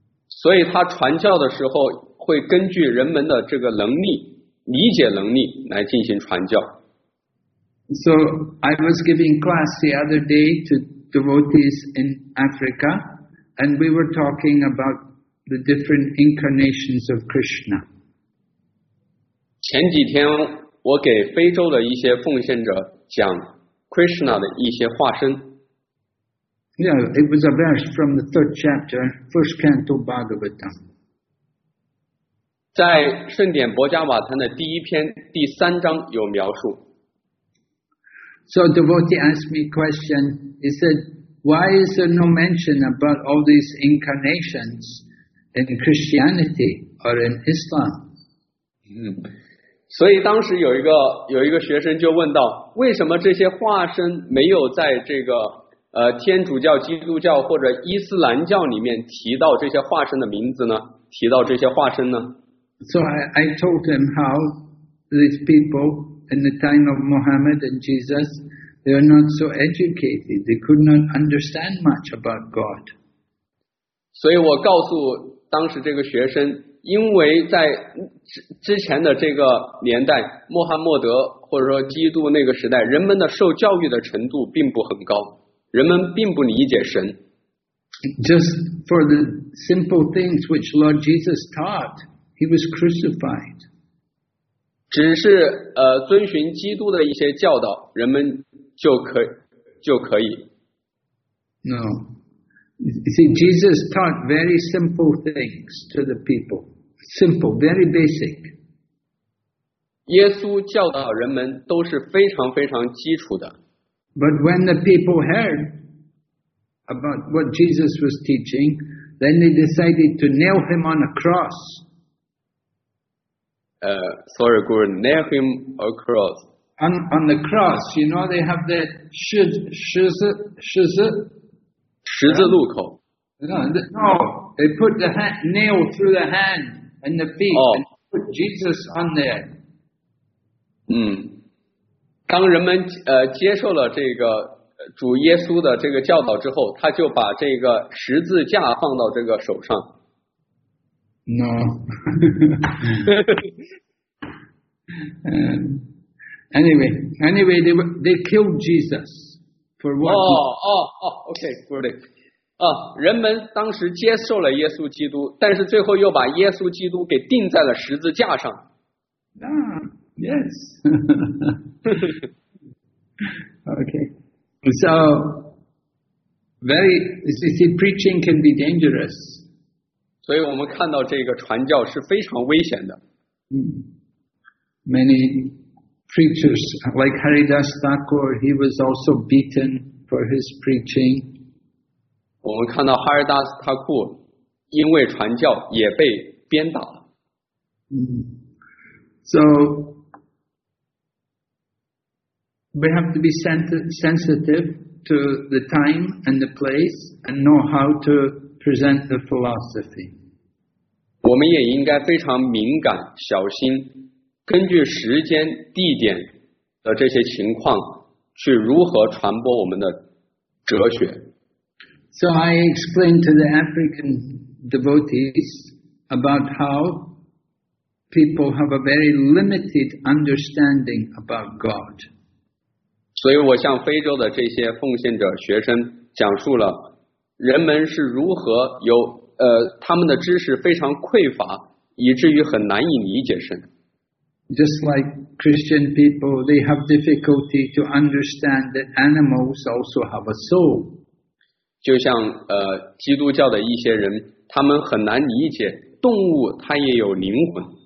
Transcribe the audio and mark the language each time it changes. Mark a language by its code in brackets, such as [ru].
[zh] 所以他传教的时候会根据人们的这个能力理解能力来进行传教。 [en] So I was giving class the other day to devotees in Africa, and we were talking about the different incarnations of Krishna. [zh] 前几天我给非洲的一些奉献者讲 Krishna 的一些化身。 [en] Yeah, it was a verse from the third chapter, first canto Bhagavata. [zh] 在圣典博迦瓦坛的第一篇第三章有描述。 [en] So devotee asked me a question. He said, why is there no mention about all these incarnations in Christianity or in Islam? 嗯， [zh] 所以当时有一个学生就问到，为什么这些化身没有在这个天主教、基督教或者伊斯兰教里面提到这些化身的名字呢？提到这些化身呢？ [en] So I told him how these people in the time of Muhammad and Jesus, they are not so educated, they could not understand much about God. [zh] 所以我告诉当时这个学生，因为在之前的这个年代，穆罕默德或者说基督那个时代，人们的受教育的程度并不很高，人们并不理解神。 [en] Just for the simple things which Lord Jesus taught, he was crucified. [zh] 只是遵循基督的一些教导，人们就可以。 [en] No. You see, Jesus taught very simple things to the people. Simple, very basic. [zh] 耶稣教导人们都是非常非常基础的。 [en] But when the people heard about what Jesus was teaching, then they decided to nail him on a cross. Nail him on a cross. On the cross, you know, they have that shiz. [zh] 十字路口。 [en] No, they put the nail through the hand and the feet and put Jesus on there. [zh] 嗯，当人们接受了这个主耶稣的这个教导之后，他就把这个十字架放到这个手上。 [en] No. anyway, they killed Jesus for what? Okay, good. [zh] 人们当时接受了耶稣基督，但是最后又把耶稣基督给钉在了十字架上。 [en] Yes. Okay. So, preaching can be dangerous. [zh] 所以我们看到这个传教是非常危险的。 [en] Many preachers, like Haridas Thakur, he was also beaten for his preaching. [zh] 我们看到哈尔达斯塔库因为传教也被鞭打了。 [en] So we have to be sensitive to the time and the place and know how to present the philosophy. [zh] 我们也应该非常敏感小心，根据时间地点的这些情况去如何传播我们的哲学。 [en] So I explained to the African devotees about how people have a very limited understanding about God. [zh] 所以我向非洲的这些奉献者学生讲述了人们是如何有他们的知识非常匮乏，以至于很难以理解神。 [en] Just like Christian people, they have difficulty to understand that animals also have a soul. [zh] 就像基督教的一些人，他们很难理解动物它也有灵魂。